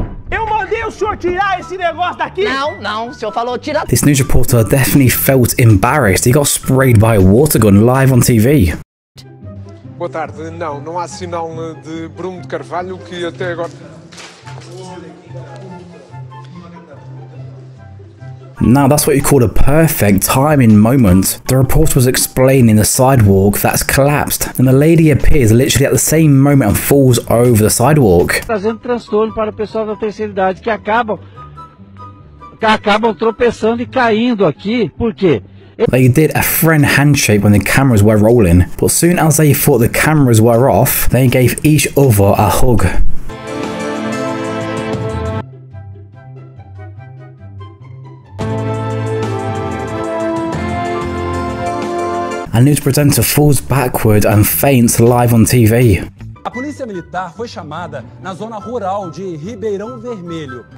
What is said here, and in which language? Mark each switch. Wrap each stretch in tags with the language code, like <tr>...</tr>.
<pt>Eu mandei o senhor tirar esse negócio daqui? Não, o senhor falou tira.</pt> <en>This news reporter definitely felt embarrassed. He got sprayed by a water gun live on TV.</en> <pt>Boa tarde. Não há sinal de Bruno de Carvalho que até agora.</pt> <en>Now that's what you call a perfect timing moment. The reporter was explaining the sidewalk that's collapsed, and the lady appears literally at the same moment and falls over the sidewalk.</en> <pt>Trazendo transtorno para o pessoal da terceira idade que acabam tropeçando e caindo aqui. Por quê?</pt> <en>They did a friend handshake when the cameras were rolling, but soon as they thought the cameras were off, they gave each other a hug. A news presenter falls backward and faints live on TV.</en> <pt>A polícia militar foi chamada na zona rural de Ribeirão Vermelho.</pt>